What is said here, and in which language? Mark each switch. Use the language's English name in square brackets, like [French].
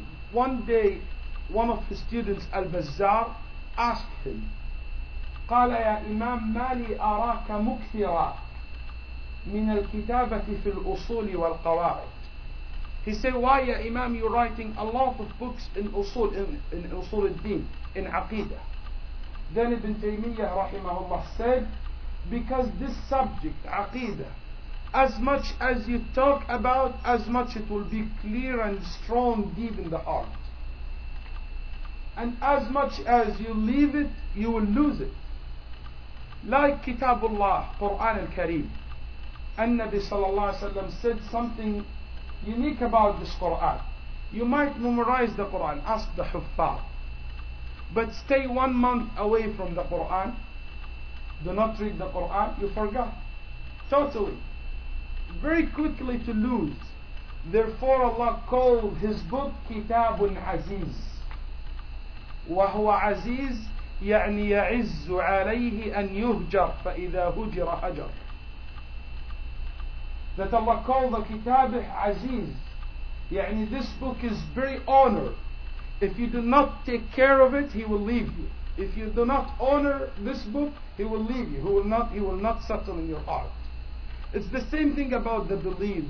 [English] One day, one of his students, Al-Bazzar, asked him, [Arabic] قال يا إمام ما لي أراك مكثرا من الكتابة في الأصول والقواعد. [English] He said, why, ya Imam, you're writing a lot of books in Usul al-Din, in Aqidah? Then Ibn Taymiyyah, rahimahullah, said, because this subject, Aqidah, as much as you talk about, as much it will be clear and strong deep in the heart. And as much as you leave it, you will lose it. Like Kitabullah, Quran al-Kareem. An-Nabi sallallahu alayhi wa sallam said something unique about this Quran. You might memorize the Quran, ask the Huffaz. But stay 1 month away from the Quran. Do not read the Quran, you forgot. Totally. Very quickly to lose. Therefore Allah called his book Kitabun Aziz. [Arabic] وهو عزيز يعني يعز عليه أن يهجر فإذا هجر هجر. [English] That Allah called the Kitab [Arabic] عزيز يعني [English] this book is very honored. If you do not take care of it, he will leave you. If you do not honor this book, he will leave you. He will not settle in your heart. It's the same thing about the belief.